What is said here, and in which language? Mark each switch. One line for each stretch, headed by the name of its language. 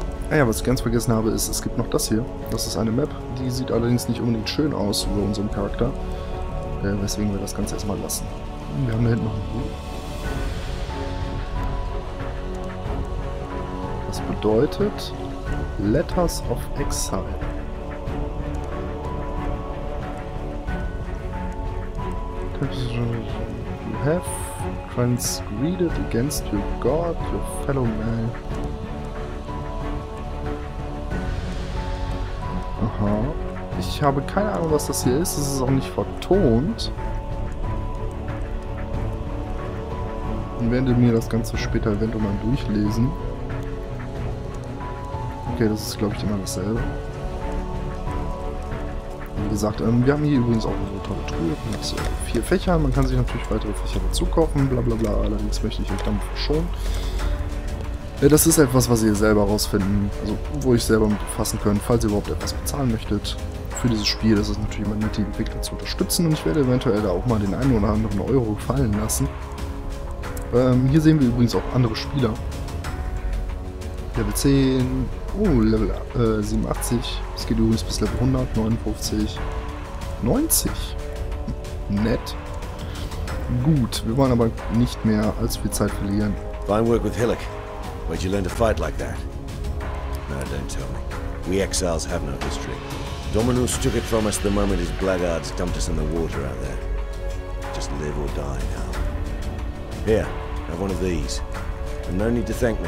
German: Naja, was ich ganz vergessen habe, ist, es gibt noch das hier. Das ist eine Map, die sieht allerdings nicht unbedingt schön aus über unseren Charakter. Weswegen wir das Ganze erstmal lassen. Wir haben da hinten noch ein Buch. Das bedeutet Letters of Exile.
English: You have transgressed against your God, your fellow man. Aha.
German: Ich habe keine Ahnung, was das hier ist. Es ist auch nicht vertont. Ich werde mir das Ganze später eventuell mal durchlesen. Okay, das ist, glaube ich, immer dasselbe. Wie gesagt, wir haben hier übrigens auch unsere tolle Truhe mit 4 Fächern. Man kann sich natürlich weitere Fächer dazu kaufen. Blablabla. Allerdings möchte ich euch damit verschonen. Das ist etwas, was ihr selber rausfinden, also wo ich selber mitfassen könnt, falls ihr überhaupt etwas bezahlen möchtet für dieses Spiel. Das ist natürlich immer nett, die Entwickler zu unterstützen, und ich werde eventuell da auch mal den einen oder anderen Euro fallen lassen. Hier sehen wir übrigens auch andere Spieler. Level 10, Level 87, es geht übrigens bis Level 100, 59, 90. Nett. Gut, wir wollen aber nicht mehr allzu viel Zeit verlieren.
English: Fine work with Hillock. Where'd you learn to fight like that? No, don't tell me. We exiles have no history. Dominus took it from us the moment his blackguards dumped us in the water out there. Just live or die now. Here, have one of these. And no need to thank me.